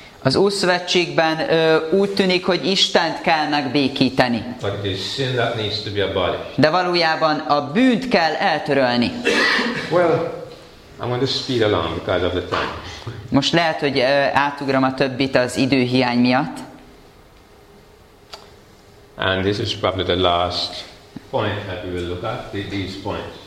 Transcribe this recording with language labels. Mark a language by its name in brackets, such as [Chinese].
[Hungarian] Az új szövetségben úgy tűnik, hogy Istent kell megbékíteni. [English] But it is sin that needs to be abolished. [Hungarian] De valójában a bűnt kell eltörölni. [English] Well, I'm going to speed along because of the time. [Hungarian] Most lehet, hogy átugram a többit az időhiány miatt. [English] And this is probably the last point that we will look at, these points.